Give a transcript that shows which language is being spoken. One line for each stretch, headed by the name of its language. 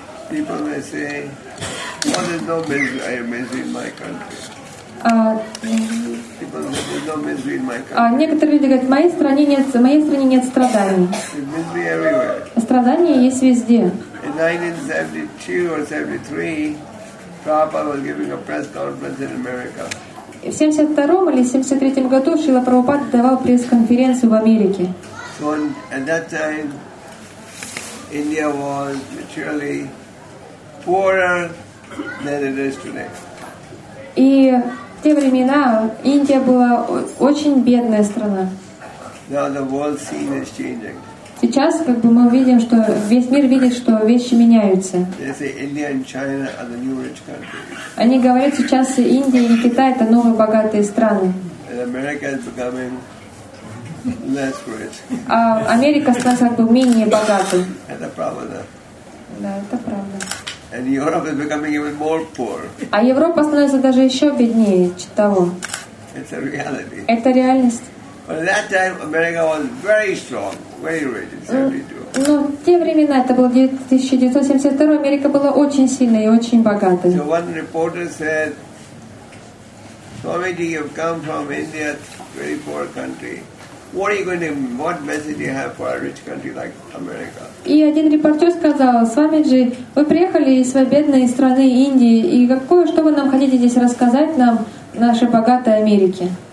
English: People may say, "Well, there's no misery, misery in my country." People say, "There's no misery in my country."
Russian: Некоторые люди говорят, в моей стране нет страданий.
English: There's misery everywhere.
Russian: Страдания есть везде.
English: In 1972 or 73, Prabhupada was giving a press conference in America.
Russian: В 72-м или 73-м году Шрила Прабхупада давал пресс-конференцию в Америке.
English: So at that time, India was literally poorer than it is today.
Russian: И в те времена Индия была очень бедная страна.
English: Now the world scene is changing.
Russian: Сейчас как бы мы видим, что весь мир видит, что вещи меняются.
English: They say India and China are the new rich countries.
Russian: Они говорят сейчас, Индия и Китай — это новые богатые страны.
English: And America is becoming less rich.
Russian: А Америка становится как бы менее богатой. Это правда. Да, это правда.
English: And Europe is becoming even more poor.
Russian: А Европа становится даже еще беднее, чем того.
English: It's a reality.
Russian: Это реальность.
English: But at that time, America was very strong, very rich in 72.
Russian: Но в те времена, это было 1972, Америка была очень сильной и очень богатой.
English: So one reporter said, "Swamiji, you've come from India, very poor country. What message do you have for a rich country like America?"
Russian: И один репортер сказал: "Свамиджи, вы приехали из своей бедной страны Индии, и какое, что вы нам хотите здесь рассказать нам, нашей богатой Америке?"